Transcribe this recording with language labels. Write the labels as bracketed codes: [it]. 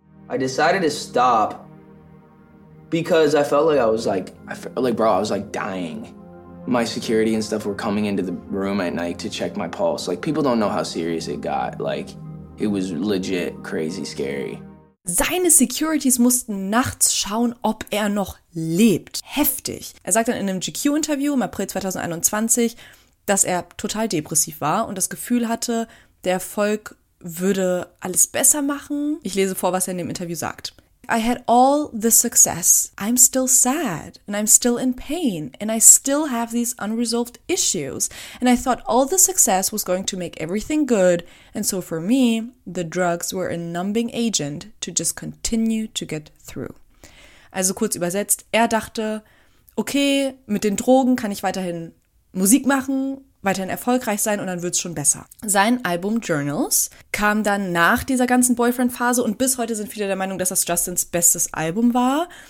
[en] I decided to stop because I felt like I was dying. My security and stuff were coming into the room at night to check my pulse. Like, people don't know how serious it got. Like, it was legit crazy scary. [de] Seine Securities mussten nachts schauen, ob er noch lebt. Heftig. Er sagt dann in einem GQ-Interview im April 2021, dass er total depressiv war und das Gefühl hatte, der Erfolg würde alles besser machen. Ich lese vor, was er in dem Interview sagt. [en] I had all the success. I'm still sad and I'm still in pain and I still have these unresolved issues. And I thought all the success was going to make everything good. And so for me, the drugs were a numbing agent to just continue to get through. [de] Also kurz übersetzt, er dachte, okay, mit den Drogen kann ich weiterhin Musik machen, weiterhin erfolgreich sein und dann wird es schon besser. Sein Album Journals kam dann nach dieser ganzen Boyfriend-Phase und bis heute sind viele der Meinung, dass das Justins bestes Album war.